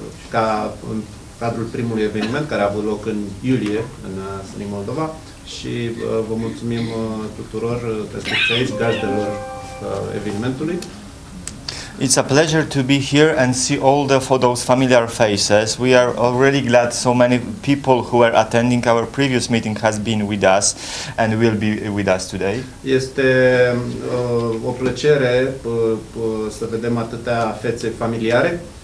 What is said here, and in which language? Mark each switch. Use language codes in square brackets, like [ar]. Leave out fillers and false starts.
[ro] Ca în cadrul primului eveniment care a avut loc în iulie în SLANIC Moldova și vă mulțumim tuturor prezenților, gazdelor evenimentului. [en] It's a pleasure to be here and see all the photos, familiar faces. We are already glad so many people who are attending our previous meeting has been with us and will be with us today. [ro] Este o plăcere să vedem atâtea fețe familiare